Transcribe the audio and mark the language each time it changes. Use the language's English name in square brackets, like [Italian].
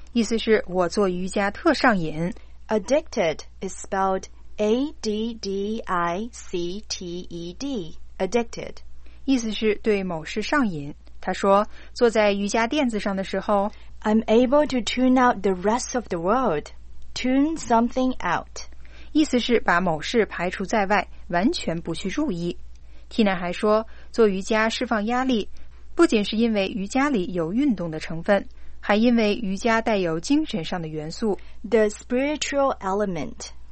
[Chinese] 意思是我做瑜伽特上瘾。 [English] Addicted is spelled A-D-D-I-C-T-E-D. Addicted. [Chinese] 意思是对某事上瘾。她说坐在瑜伽垫子上的时候 [English] I'm able to tune out the rest of the world. Tune something out. [Chinese] 意思是把某事排除在外，完全不去注意。 Tina 还说，做瑜伽释放压力，不仅是因为瑜伽里有运动的成分，还因为瑜伽带有精神上的元素。 [English] The spiritual element.